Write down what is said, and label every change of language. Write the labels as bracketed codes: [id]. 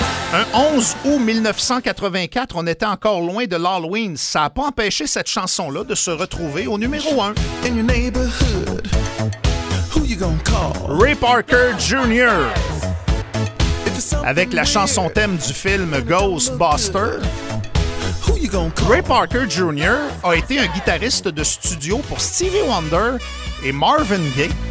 [fr] Un 11 août 1984, on était encore loin de l'Halloween. Ça n'a pas empêché cette chanson-là de se retrouver au numéro 1. [en] In your neighborhood, who you gonna call? Ray Parker Jr. [fr] Avec la chanson thème du film Ghostbusters. Ray Parker Jr. a été un guitariste de studio pour Stevie Wonder et Marvin Gaye.